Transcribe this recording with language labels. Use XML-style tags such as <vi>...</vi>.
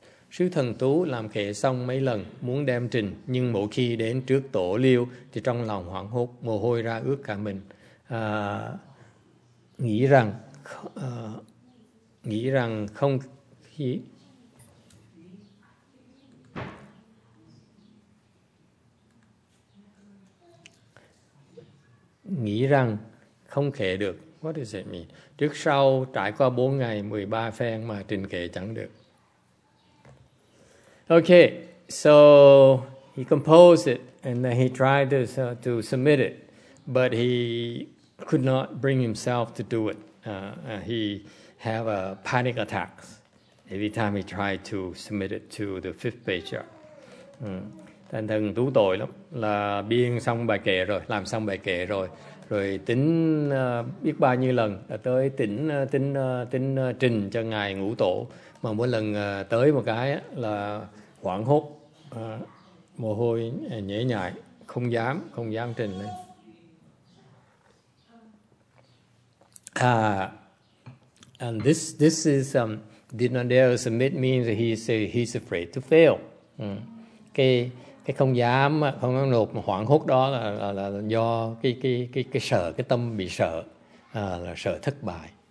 <vi>Sứ thần Tú làm kệ xong mấy lần muốn đem trình, nhưng mỗi khi đến trước tổ Liêu thì trong lòng hoảng hốt, mồ hôi ra ướt cả mình, nghĩ rằng không khí nghĩ rằng không kể được.</vi> <en>What does it mean?</en> <vi>Trước sau trải qua 4 ngày 13 phen mà trình kệ chẳng được.</vi> <en>Okay, so he composed it, and then he tried to submit it, but he could not bring himself to do it. He had a panic attack every time he tried to submit it to the fifth patriarch.</en> <vi>Thành thần tú tội lắm, là biên xong bài kệ rồi, làm xong bài kệ rồi, rồi tính biết bao nhiêu lần, tới tính trình cho ngài ngũ tổ, mà mỗi lần tới một cái là hoảng hốt, mồ hôi nhễ nhại, không dám trình lên.</vi> <en>And this is did not dare submit means he's afraid to fail.</en> <vi>Cái không dám, không dám nộp, mà hoảng hốt đó là do cái sợ, cái tâm bị sợ, là sợ thất bại.</vi>